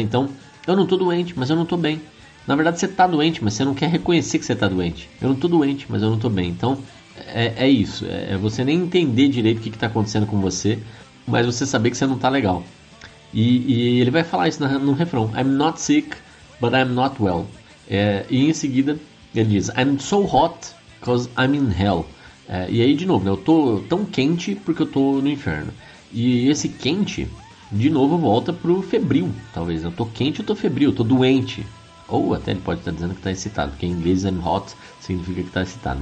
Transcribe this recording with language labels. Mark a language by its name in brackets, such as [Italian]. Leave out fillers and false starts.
[Portuguese] Então, eu não tô doente, mas eu não tô bem. Na verdade, você tá doente, mas você não quer reconhecer que você tá doente. Eu não tô doente, mas eu não tô bem. Então, é isso. É você nem entender direito o que tá acontecendo com você, mas você saber que você não tá legal. E ele vai falar isso no refrão. [English] I'm not sick, but I'm not well. E em seguida, ele diz, I'm so hot, because I'm in hell. [Portuguese] E aí, de novo, né? Eu tô tão quente porque eu tô no inferno. E esse quente, de novo, volta pro febril, talvez. Eu tô quente, eu tô febril, eu tô doente. Ou até ele pode estar dizendo que tá excitado, porque em inglês I'm hot significa que tá excitado.